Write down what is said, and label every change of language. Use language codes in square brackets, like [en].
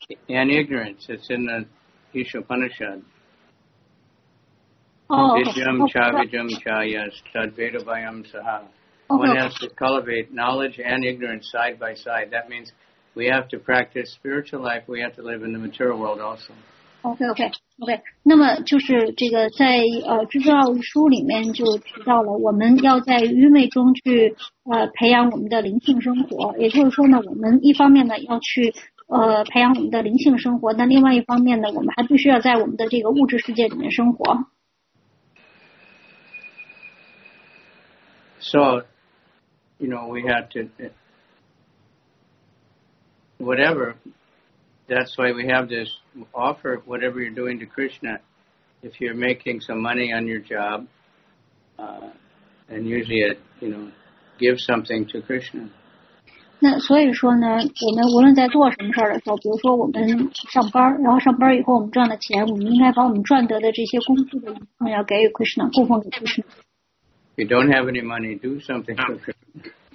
[en] And ignorance, it's in the Ishapanishad. [sa] Vidyam Chabijam Jaya Stad Vedavayam Saha. [en] One has to cultivate knowledge and ignorance side by side. That means we have to practice spiritual life. We have to live in the material world also. Okay. [zh] 那么就是这个在知道书里面就提到了，我们要在愚昧中去培养我们的灵性生活。也就是说呢，我们一方面呢要去培养我们的灵性生活，那另外一方面呢，我们还必须要在我们的这个物质世界里面生活。 [en] So, you know, we have to. Whatever, that's why we have this offer, whatever you're doing to Krishna, if you're making some money on your job, and usually it, you know, give something to Krishna. [zh] 那所以说呢，我们无论在做什么事儿的时候，比如说我们上班，然后上班以后我们赚的钱，我们应该把我们赚得的这些工资的一部分要给予 Krishna, 供奉给 Krishna. [en] If you don't have any money, do something for Krishna.